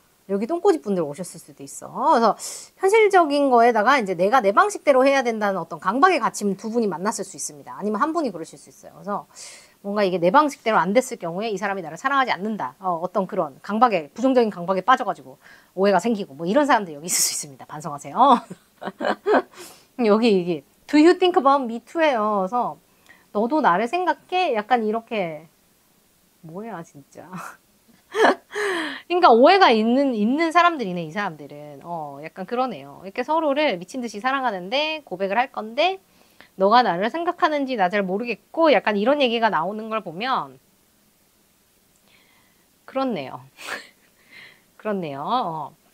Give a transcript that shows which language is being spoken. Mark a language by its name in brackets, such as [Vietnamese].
[Korean] 여기 똥꼬집 분들 오셨을 수도 있어. 그래서 현실적인 거에다가 이제 내가 내 방식대로 해야 된다는 어떤 강박에 갇힌 두 분이 만났을 수 있습니다. 아니면 한 분이 그러실 수 있어요. 그래서 뭔가 이게 내 방식대로 안 됐을 경우에 이 사람이 나를 사랑하지 않는다. 어떤 그런 강박에, 부정적인 강박에 빠져가지고 오해가 생기고 뭐 이런 사람들 여기 있을 수 있습니다. 반성하세요. 여기 이게 [English] Do you think about me too예요. [Korean] 그래서 너도 나를 생각해? 약간 이렇게 뭐야 진짜. 그러니까 오해가 있는 사람들이네 이 사람들은. 약간 그러네요. 이렇게 서로를 미친 듯이 사랑하는데 고백을 할 건데 너가 나를 생각하는지 나잘 모르겠고 약간 이런 얘기가 나오는 걸 보면 그렇네요. 그렇네요.